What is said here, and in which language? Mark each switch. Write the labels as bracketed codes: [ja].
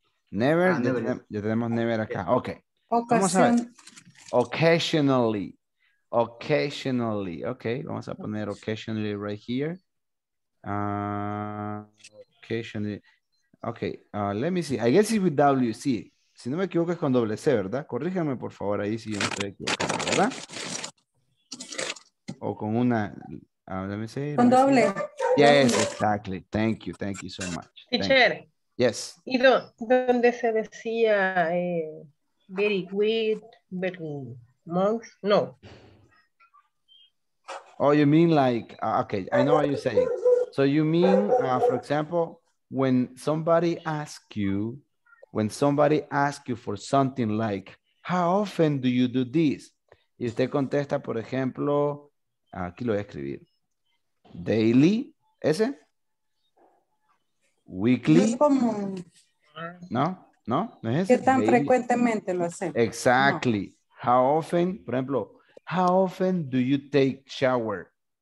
[en] Never. [es] Ya tenemos never acá. Okay. [en] Occasionally. Okay. [es] Vamos a poner [en] occasionally right here. Occasionally. Okay. Let me see. I guess it's with W. [es] Sí. Si no me equivoco es con doble C, ¿verdad? Corríjame por favor ahí si yo no estoy equivocado, ¿verdad? O con una. [en] Let me see. [es] Con doble. [en] Yes, exactly. Thank you so much. Teacher. Yes. [es] ¿Y dónde se decía [en] very good, very most? [es] No. [en] Oh, you mean like, okay, I know what you're saying. So you mean, for example, when somebody asks you for something like, how often do you do this? [es] Y usted contesta, por ejemplo, aquí lo voy a escribir, daily, ese. Weekly. No es. ¿Qué tan daily? Frecuentemente lo hacemos. [en] Exactly. No. How often, [es] por ejemplo, [en] how often do you take shower?